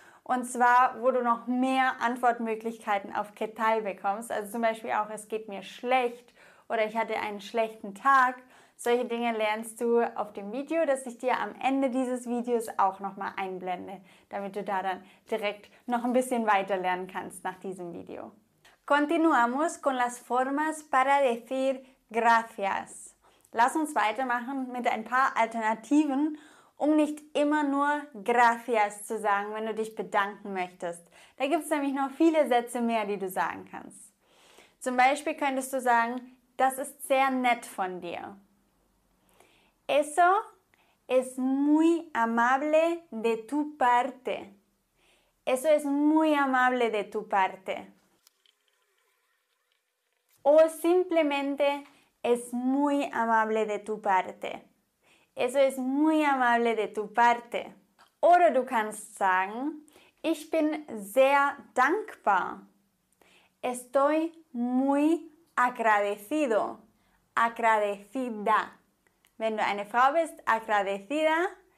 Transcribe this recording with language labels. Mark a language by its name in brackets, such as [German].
[German] Und zwar, wo du noch mehr Antwortmöglichkeiten auf [Spanish] ¿qué tal? [German] Bekommst. Also zum Beispiel auch, es geht mir schlecht oder ich hatte einen schlechten Tag. Solche Dinge lernst du auf dem Video, das ich dir am Ende dieses Videos auch nochmal einblende, damit du da dann direkt noch ein bisschen weiter lernen kannst nach diesem Video. [Spanish] Continuamos con las formas para decir gracias. [German] Lass uns weitermachen mit ein paar Alternativen, um nicht immer nur gracias zu sagen, wenn du dich bedanken möchtest. Da gibt es nämlich noch viele Sätze mehr, die du sagen kannst. Zum Beispiel könntest du sagen, das ist sehr nett von dir. [Spanish] Eso es muy amable de tu parte. Eso es muy amable de tu parte. O simplemente es muy amable de tu parte. Eso es muy amable de tu parte. [German] Oder du kannst sagen, ich bin sehr dankbar. [Spanish] Estoy muy agradecido. [German] Agradecida. Wenn du eine Frau bist, agradecida.